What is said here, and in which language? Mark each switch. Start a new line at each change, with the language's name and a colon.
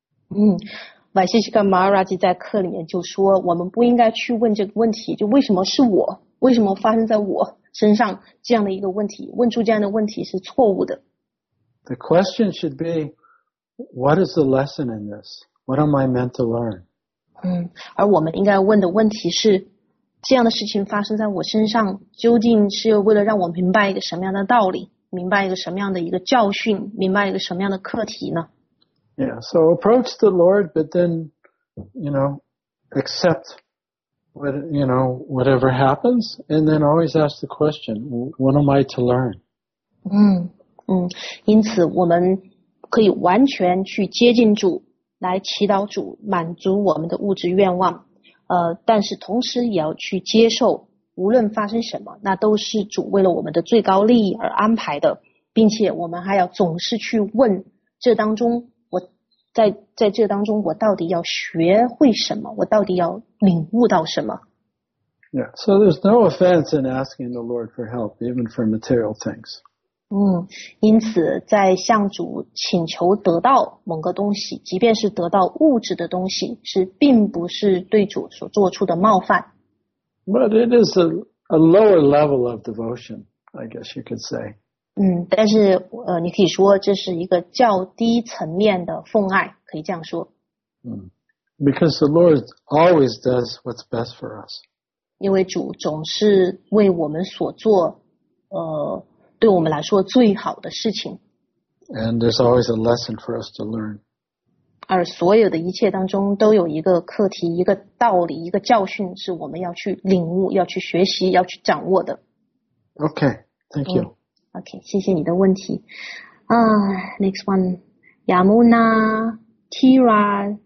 Chinese: Vaisheshika Maharaj 在课里面就说，我们不应该去问这个问题，就为什么是我，为什么发生在我身上这样的一个问题，问出这样的问题是错误的。
English: The question should be, what is the lesson in this? What am I meant to learn?
Chinese: 而我们应该问的问题是，这样的事情发生在我身上，究竟是为了让我明白一个什么样的道理？明白一个什么样的一个教训，明白一个什么样的课题呢？
English: Yeah, so approach the Lord, but then, you know, accept what, you know, whatever happens, and then always ask the question, what am I to learn?
Chinese: 因此我们可以完全去接近主，来祈祷主满足我们的物质愿望，但是同时也要去接受无论发生什么，那都是主为了我们的最高利益而安排的，并且我们还要总是去问，这当中我在这当中我到底要学会什么，我到底要领悟到什么。
English: Yeah, so there's no offense in asking the Lord for help, even for material things.
Chinese: 因此在向主请求得到某个东西，即便是得到物质的东西，是并不是对主所做出的冒犯。
English: But it is a lower level of devotion, I guess you could say.
Chinese: 但是你可以说这是一个较低层面的奉爱，可以这样说。
English: Because the Lord always does what's best for us.
Chinese: 因为主总是为我们所做对我们来说最好的事情。
English: And there's always a lesson for us to learn.
Chinese: 而所有的一切当中都有一个课题，一个道理，一个教训是我们要去领悟，要去学习，要去掌握的。
English: OK, thank you.
Chinese: OK, 谢谢你的问题。
English: Next one,
Chinese: Yamuna Tira